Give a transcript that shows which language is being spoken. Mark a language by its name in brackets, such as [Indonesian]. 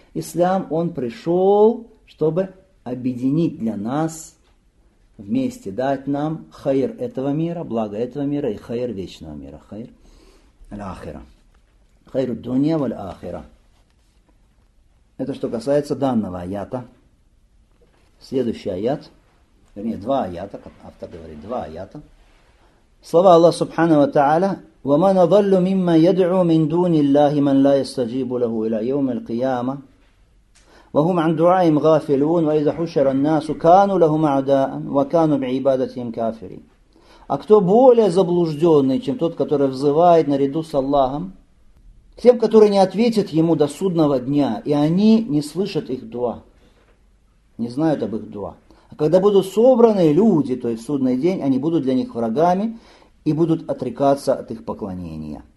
[Russian] Ислам, он пришел, чтобы объединить для нас вместе дать нам хайр этого мира, благо этого мира и хайр вечного мира. [Arabic] Хайр аль-ахира. Хайр ад-дунья валь-ахира. [Russian] Это что касается данного аята. Следующий аят. Вернее, два аята, как автор говорит, два аята. Слова Аллаха Субхана ва Тааля. [Arabic] وَمَنْ أَضَلُّ مِمَّا يَدْعُو مِنْ دُونِ اللَّهِ مَنْ لَا يَسْتَجِيبُ لَهُ إِلَى يَوْمِ الْقِيَامَةِ وهم عن دعائهم غافلون وإذا حشر الناس كانوا لهم أعداء وكانوا بعبادتهم كافرين. [Russian] А кто более заблужденный, чем тот, который взывает наряду с Аллахом, к тем, которые не ответят ему до судного дня, и они не слышат их дуа, не знают об их дуа. А когда будут собраны люди, то есть в судный день, они будут для них врагами и будут отрекаться от их поклонения.